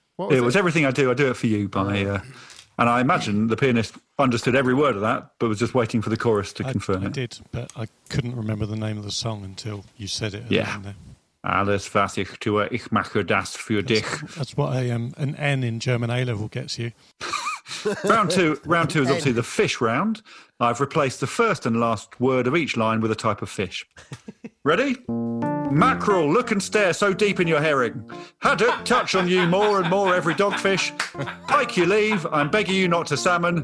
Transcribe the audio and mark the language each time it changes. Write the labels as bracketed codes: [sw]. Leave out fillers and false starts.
[en] It was Everything I do it for you by... and I imagine the pianist understood every word of that, but was just waiting for the chorus to confirm it. I did, but I couldn't remember the name of the song until you said it. Yeah. [de] Alles, was ich tue, ich mache das für dich. [en] That's what an N in German A-level gets you. Round two is obviously the fish round. I've replaced the first and last word of each line with a type of fish. Ready? Mackerel, look and stare so deep in your herring. Haddock, touch on you more and more every dogfish. Pike, you leave, I'm begging you not to salmon.